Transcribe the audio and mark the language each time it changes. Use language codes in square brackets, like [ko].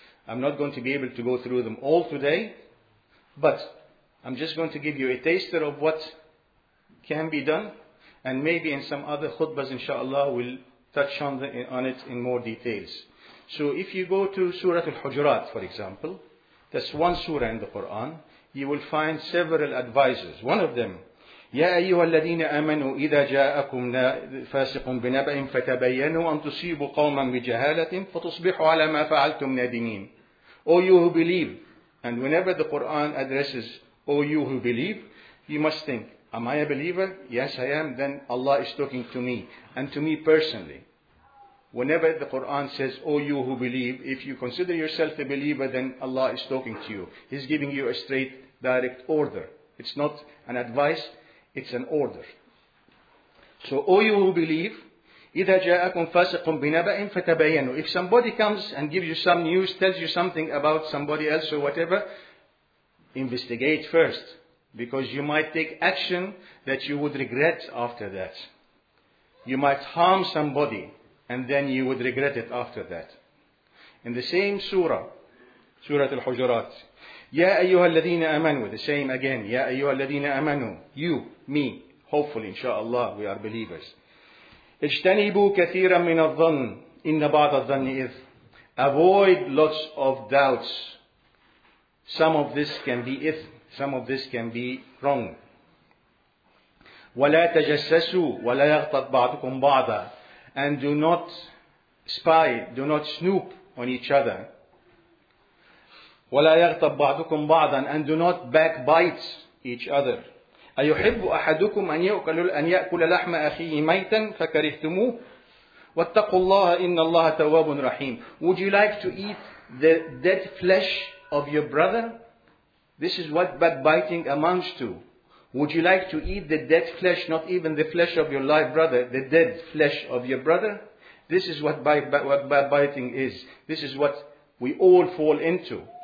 [en] I'm not going to be able to go through them all today, but I'm just going to give you a taster of what can be done, and maybe in some other khutbahs, inshallah, we'll touch on it in more details. So if you go to Surah Al-Hujurat, for example, that's one surah in the Quran, you will find several advices. One of them, [ar] يا أيها الذين آمنوا إذا جاءكم فاسق بنبأ فتبينوا أن تصيبوا قوما بجهالة فتصبحوا على ما فعلتم نادمين. [en] O you who believe, and whenever the Quran addresses, O you who believe, you must think, am I a believer? Yes, I am. Then Allah is talking to me, and to me personally. Whenever the Quran says, O you who believe, if you consider yourself a believer, then Allah is talking to you. He's giving you a straight, direct order. It's not an advice. It's an order. So, O you who believe, [ar] إِذَا جَاءَكُمْ فَاسِقٌ بِنَبَأٍ فَتَبَيَّنُوا. [en] If somebody comes and gives you some news, tells you something about somebody else or whatever, investigate first. Because you might take action that you would regret after that. You might harm somebody and then you would regret it after that. In the same surah, Surah Al-Hujurat, [ar] يَا أَيُّهَا الَّذِينَ أَمَنُوا. [en] The same again. [ar] يَا أَيُّهَا الَّذِينَ أَمَنُوا. [en] You, me, hopefully, inshallah, we are believers. [ar] اجتنبوا كثيرا من الظن إن بعض الظن إذ. [en] Avoid lots of doubts. Some of this can be إذ. Some of this can be wrong. ولا تجسسوا ولا يغتب بعضكم بعضا. And do not spy, do not snoop on each other. [ar] ولا يغتب بعضكم بعضا, [en] and do not backbite each other. [ar] أيحب أحدكم أن يأكل لحم أخيه ميتا فكرهتموه؟ واتقوا الله إن الله تواب رحيم. [en] Would you like to eat the dead flesh of your brother? This is what backbiting amounts to. Would you like to eat the dead flesh, not even the flesh of your live brother, the dead flesh of your brother? This is what backbiting is. This is what we all fall into.